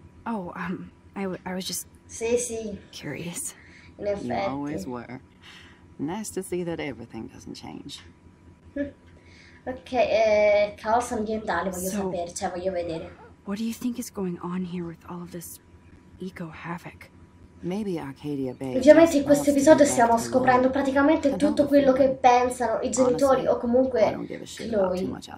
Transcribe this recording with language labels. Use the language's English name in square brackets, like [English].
[English] Oh, I was just [Italian] sì. [English] Curious. [Italian] In effetti. [English] You always were. Nice to see that everything doesn't change. [Italian] Ok, caos ambientale voglio sapere, cioè voglio vedere. [English] What do you think is going on here with all of this eco havoc? Maybe Arcadia Bay. [Italian] Ovviamente in questo episodio stiamo scoprendo praticamente tutto quello che pensano i genitori o comunque Chloe.